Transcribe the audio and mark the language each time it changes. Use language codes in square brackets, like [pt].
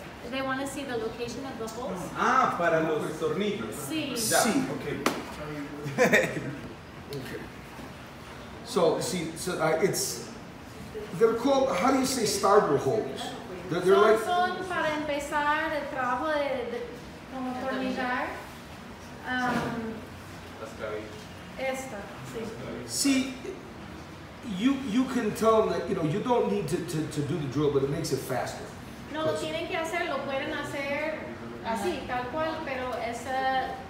[en] They want to see the location of the holes? [es] Ah, para los tornillos. Sí. Yeah. Sí. Okay. Okay. [en] So, see, so it's, they're called, how do you say starter holes? They're like... [es] Son para empezar el trabajo de como tornillar. Esta, sí. [en] See, you can tell them that, you know, you don't need to do the drill, but it makes it faster. [es] No, lo tienen que hacer, lo pueden hacer así, tal cual, pero esa...